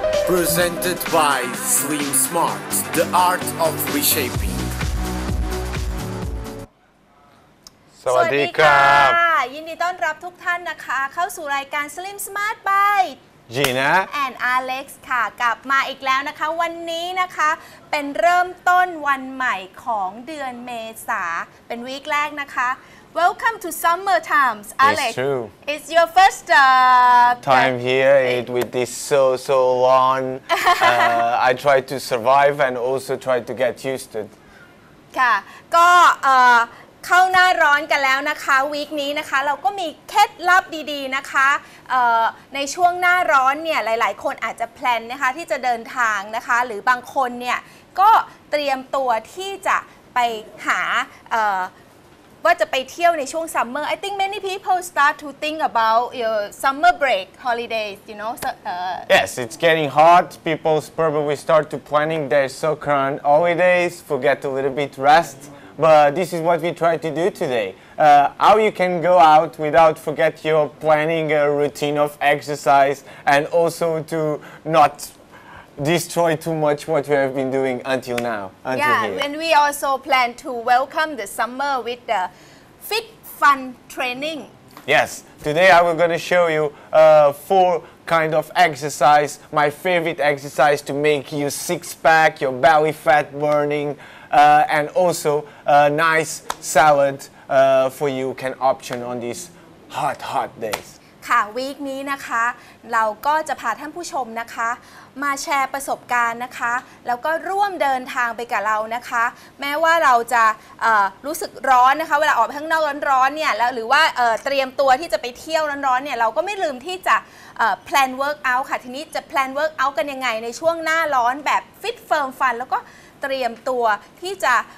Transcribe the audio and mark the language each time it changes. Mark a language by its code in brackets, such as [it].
[en] presented by Slim Smart, the art of reshaping. [th] สวัสดีครับ ยินดีต้อนรับทุกท่านนะคะเข้าสู่รายการ Slim Smart by Gina and Alex ค่ะกลับมาอีกแล้วนะคะวันนี้นะคะเป็นเริ่มต้นวันใหม่ของเดือนเมษาเป็นวีคแรกนะคะ [en] Welcome to Summer Times Alex It's true It's your first time here it with this so long I try to survive and also try to get used to it [th] ค่ะก็เข้าหน้าร้อนกันแล้วนะคะวีคนี้นะคะเราก็มีเคล็ดลับดีๆนะคะในช่วงหน้าร้อนเนี่ยหลายๆคนอาจจะแพลนนะคะที่จะเดินทางนะคะหรือบางคนเนี่ยก็เตรียมตัวที่จะไปหาว่าจะไปเที่ยวในช่วงซัมเมอร์ [en] I think many people start to think about your summer break holidays you know Yes it's getting hot people probably start to planning their so current holidays forget a little bit rest but this is what we try to do today how you can go out without forget your planning a routine of exercise and also to notDestroy too much what we have been doing until now. Until yeah, here. And we also plan to welcome the summer with the fit fun training. Yes, today I'm going to show you four kind of exercise. My favorite exercise to make you six pack, your belly fat burning, and also a nice salad for you can option on these hot days. [th] ค่ะวีคนี้นะคะเราก็จะพาท่านผู้ชมนะคะมาแชร์ประสบการณ์นะคะแล้วก็ร่วมเดินทางไปกับเรานะคะแม้ว่าเราจะรู้สึกร้อนนะคะเวลาออกข้างนอกร้อนๆเนี่ยแล้วหรือว่าเตรียมตัวที่จะไปเที่ยวร้อนๆเนี่ยเราก็ไม่ลืมที่จะแพลนเวิร์กเอาท์ค่ะทีนี้จะแพลนเวิร์กเอาท์กันยังไงในช่วงหน้าร้อนแบบฟิตเฟิร์มฟันแล้วก็เตรียมตัวที่จะ